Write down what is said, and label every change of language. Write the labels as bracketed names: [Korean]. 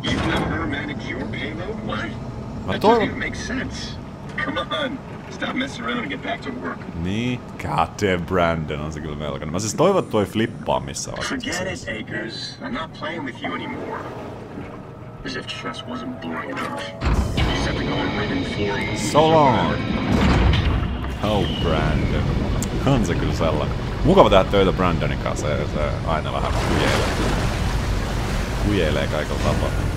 [English] You've let her manage your payload? Why? That doesn't even make sense. Come on! Stop messing around and get back to work. [Finnish] Niin? [English] God damn, [Finnish] Brandon on se kyllä melkoinen. Mä siis toivon, että toi flippaa missä [English] on. Forget it, Akers. I'm not playing with you anymore. As if chess wasn't boring enough. So long! Oh, Brandon. [Finnish] On se kyllä sellainen. Mukava tehdä töitä Brandonin kanssa, ja se aina vähän kujeilee. Kujeilee kaikilla tapaa.